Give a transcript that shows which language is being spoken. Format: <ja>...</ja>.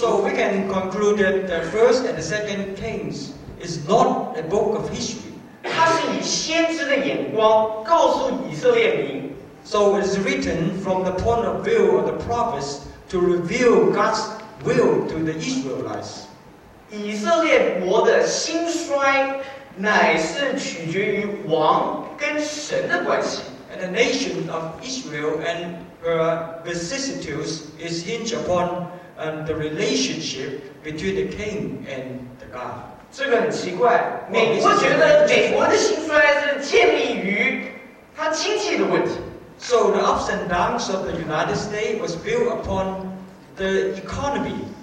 <en>So we can conclude that the first and the second Kings is not a book of history.</en> <zh>它是以先知的眼光告诉以色列民。</zh> <en>So it's written from the point of view of the prophets to reveal God's will to the Israelites.</en> <zh>以色列国的兴衰乃是取决于王跟神的关系。</zh> <en>And the nation of Israel and her vicissitudes is hinged upon the relationship between the king and the God.</en> <zh>这个很奇怪, 美国觉得美国的兴衰是建立于他经济的问题。</zh> <en>So the ups and downs of the United States was built upon the economy.</en>